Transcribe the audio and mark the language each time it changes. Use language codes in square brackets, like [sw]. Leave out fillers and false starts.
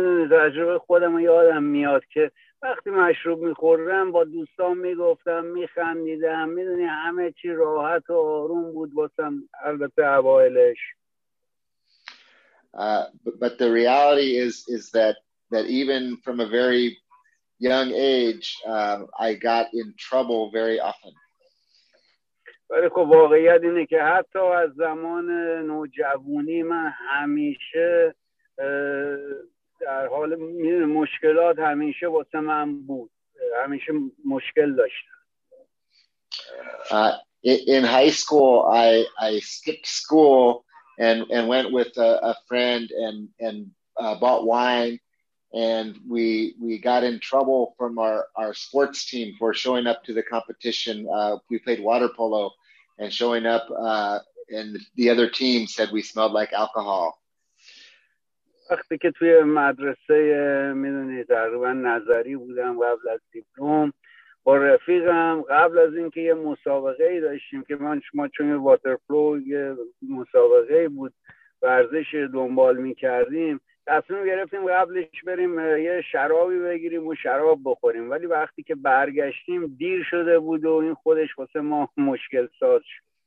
[fa] تجربه خودم یادم میاد که وقتی مشروب میخوردم با دوستان میگفتم، میخندیدم، میدونی همه چی راحت و آروم بود واسم، البته اوائلش. [en] But the reality is that even from a very young age I got in trouble very often. [fa] ولی خب واقعیت اینه که حتی از زمان نوجوانی من همیشه در حال مشکلات همیشه واسه من بود، همیشه مشکل داشتم. [en] In high school I skipped school and went with a friend and bought wine and we got in trouble from our sports team for showing up to the competition. We played water polo and showing up and the other team said we smelled like alcohol. [fa] وقتی که توی مدرسه میدونی تقریبا نظری بودم قبل از دیپلم با رفیقم، قبل از اینکه یه مسابقه ای داشتیم که من شما چون واتر فلو مسابقه ای بود ورزش دنبال می‌کردیم، تصمیم گرفتیم قبلش بریم یه شرابی بگیریم و شراب بخوریم، ولی وقتی که برگشتیم دیر شده بود و این خودش واسه ما مشکل ساز شد.